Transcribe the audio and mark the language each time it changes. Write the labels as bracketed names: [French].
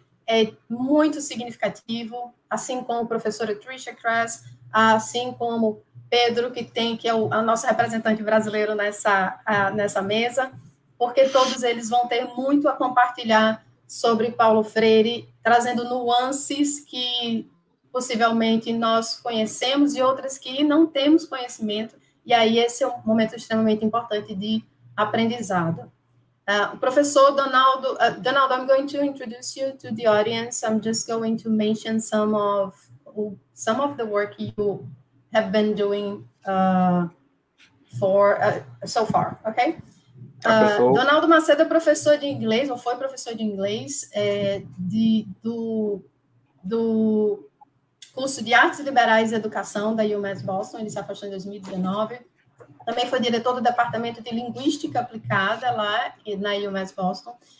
[Portuguese] é muito significativo, assim como a professora Tricia Kress, assim como Pedro, que é a nossa representante brasileira nessa mesa, porque todos eles vão ter muito a compartilhar sobre Paulo Freire, trazendo nuances que possivelmente nós conhecemos e outras que não temos conhecimento, e aí esse é um momento extremamente importante de aprendizado. [English] Professor Donaldo, I'm going to introduce you to the audience. I'm just going to mention some of the work you have been doing so far, okay? [Portuguese] Donaldo Macedo é professor de inglês, ou foi professor de inglês, do curso de Artes Liberais e Educação da UMass Boston. Ele se afastou em 2019. Também foi diretor do Departamento de Linguística Aplicada lá na UMass Boston.